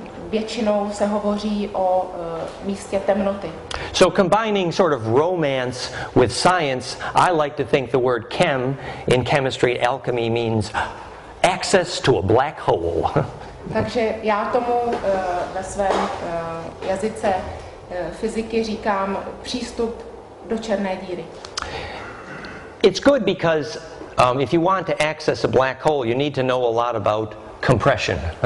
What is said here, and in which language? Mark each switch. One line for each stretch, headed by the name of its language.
Czech: Většinou se hovoří o místě temnoty.
English: So combining sort of romance with science, I like to think the word chem in chemistry, alchemy, means access to a black hole.
Czech: Takže já tomu ve svém jazyce fyziky říkám přístup do černé díry.
English: It's good because if you want to access a black hole, you need to know a lot about compression.